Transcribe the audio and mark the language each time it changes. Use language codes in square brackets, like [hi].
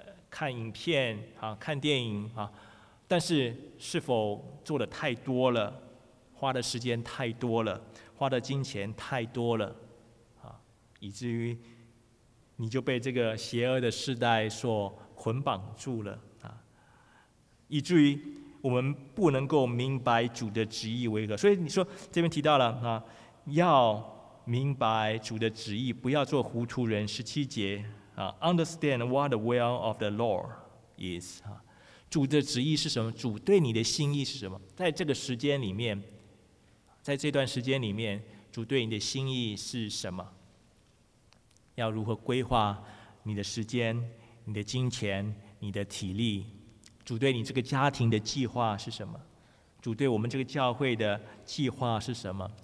[zh] 看影片啊，看电影啊，但是是否做的太多了，花的时间太多了，花的金钱太多了啊，以至于你就被这个邪恶的世代所捆绑住了啊，以至于我们不能够明白主的旨意为何。所以你说这边提到了啊，要明白主的旨意，不要做糊涂人。十七节。 [en] Understand what the will of the Lord is. [zh] 主的旨意是什么？主对你的心意是什么？在这个时间里面，在这段时间里面，主对你的心意是什么？要如何规划你的时间、你的金钱、你的体力？主对你这个家庭的计划是什么？主对我们这个教会的计划是什么？